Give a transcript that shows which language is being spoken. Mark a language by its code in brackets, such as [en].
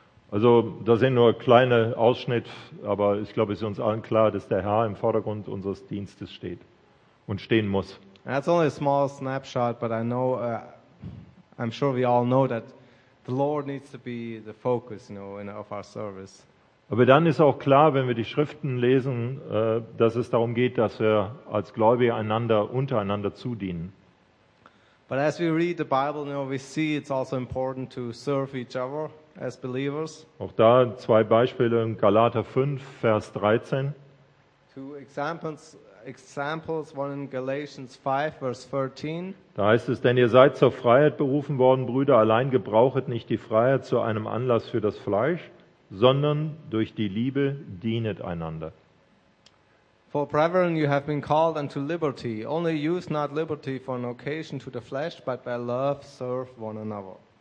[de] Also, da sind nur kleine Ausschnitt, aber ich glaube, es ist uns allen klar, dass der Herr im Vordergrund unseres Dienstes steht und stehen muss. [en] That's only a small snapshot, but I know, I'm sure we all know that the Lord needs to be the focus, you know, of our service. [de] Aber dann ist auch klar, wenn wir die Schriften lesen, dass es darum geht, dass wir als Gläubige einander untereinander zudienen. [en] But as we read the Bible, you know, we see it's also important to serve each other as believers. [de] Auch da zwei Beispiele in Galater 5, Vers 13. [en] Two examples, one in Galatians 5, Verse 13. [de] Da heißt es, denn ihr seid zur Freiheit berufen worden, Brüder, allein gebrauchet nicht die Freiheit zu einem Anlass für das Fleisch, sondern durch die Liebe dienet einander. [en] For brethren, you have been called unto liberty. Only use not liberty for an occasion to the flesh, but by love serve one another.